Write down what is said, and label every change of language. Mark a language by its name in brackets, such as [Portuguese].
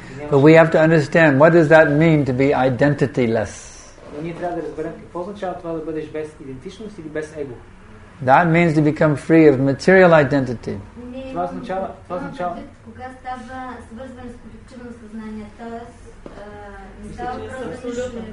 [English] But we have to understand, what does that mean to be identity-less? [Bulgarian] Но ние трябва да разберем какво означава това да бъдеш без идентичност или без его. [English] That means to become free of material identity. [Bulgarian] Това означава, това означава. Кога става свързване с колективно съзнание, тоест, не става просто нищо.